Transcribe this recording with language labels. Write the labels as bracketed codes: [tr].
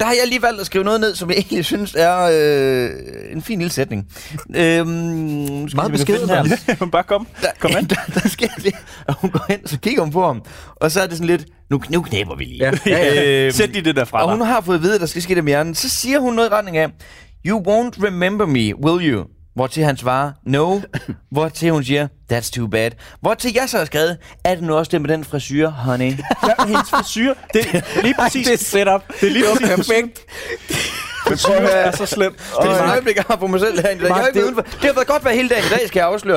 [da] Der har jeg lige valgt at skrive noget ned, som jeg egentlig synes er en fin lille sætning. Meget beskeden her. Men bare kom. Kom ind. Der sker det. Og hun går ind, så kigger hun på ham. Og så er det sådan lidt, nu knæpper vi lige. Ja. Sæt lige det der fra dig. Og hun har fået at vide, at der skal ske det med hjernen. Så siger hun noget i retning af, [en] you won't remember me, will you? [da] Hvortil han svarer, no. Hvortil hun siger, [en] that's too bad. [da] Hvortil jeg så har skrevet, er det nu også det med den frisyr, honey? Ja, hendes frisyr. Det er lige præcis. Det er setup. Det er lige præcis. Perfekt. Det er så slemt. Det er sådan en øjeblik, jeg har på mig selv her i dag. Mark, det har været godt været hele dagen i dag, skal jeg afsløre.